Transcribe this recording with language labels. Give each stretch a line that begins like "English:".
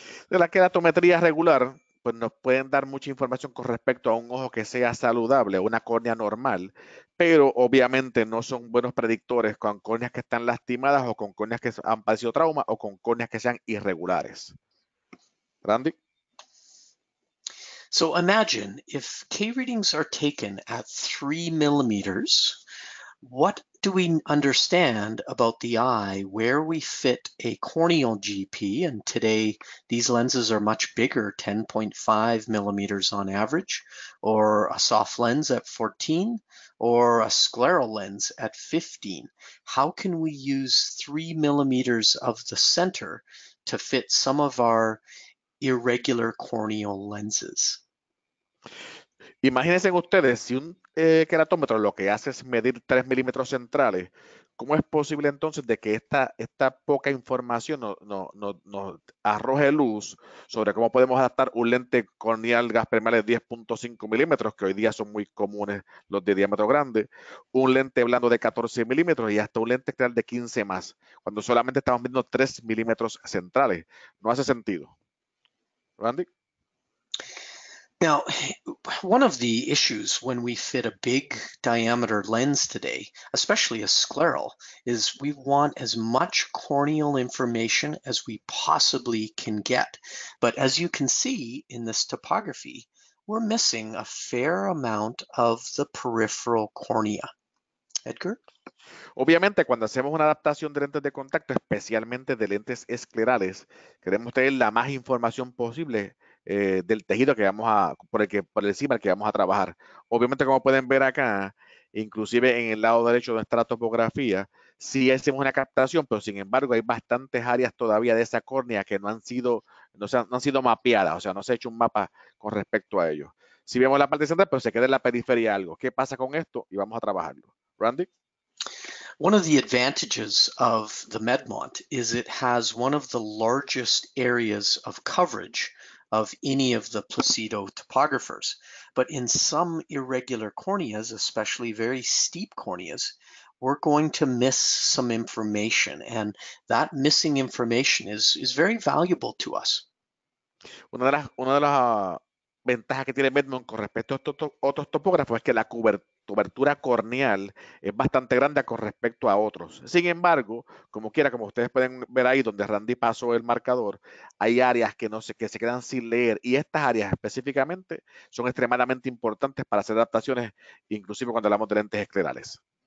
Spanish: De la queratometría regular, pues nos pueden dar mucha información con respecto a un ojo que sea saludable, una córnea normal, pero obviamente no son buenos predictores con córneas que están lastimadas o con córneas que han padecido trauma o con córneas que sean irregulares. Randy.
English: So imagine if K readings are taken at 3 millimeters, what do we understand about the eye where we fit a corneal GP? And today these lenses are much bigger, 10.5 millimeters on average, or a soft lens at 14, or a scleral lens at 15. How can we use 3 millimeters of the center to fit some of our irregular corneal lenses?
Spanish: Imagínense ustedes, si un queratómetro lo que hace es medir 3 milímetros centrales, ¿cómo es posible entonces de que esta poca información no arroje luz sobre cómo podemos adaptar un lente corneal gas permeable de 10.5 milímetros, que hoy día son muy comunes los de diámetro grande, un lente blando de 14 milímetros y hasta un lente creal de 15 más, cuando solamente estamos midiendo 3 milímetros centrales? No hace sentido. Randy.
English: Now, one of the issues when we fit a big diameter lens today, especially a scleral, is we want as much corneal information as we possibly can get. But as you can see in this topography, we're missing a fair amount of the peripheral cornea. Edgar?
Spanish: Obviamente, cuando hacemos una adaptación de lentes de contacto, especialmente de lentes esclerales, queremos tener la más información posible del tejido que vamos a por encima el que vamos a trabajar. Obviamente, como pueden ver acá, inclusive en el lado derecho de nuestra topografía, sí hacemos una captación, pero sin embargo hay bastantes áreas todavía de esa córnea que no han sido mapeadas, o sea, no se ha hecho un mapa con respecto a ello. Si vemos la parte central, pero se queda en la periferia algo. ¿Qué pasa con esto? Y vamos a trabajarlo. Randy.
English: One of the advantages of the MedMont is it has one of the largest areas of coverage of any of the Placido topographers. But in some irregular corneas, especially very steep corneas, we're going to miss some information. And that missing information is very valuable to us.
Spanish: Una de las ventajas que tiene MedMont con respecto a estos otros topógrafos es que la cobertura corneal es bastante grande con respecto a otros. Sin embargo, como quiera, como ustedes pueden ver ahí donde Randy pasó el marcador, hay áreas que se quedan sin leer, y estas áreas específicamente son extremadamente importantes para hacer adaptaciones, inclusive cuando hablamos de lentes esclerales.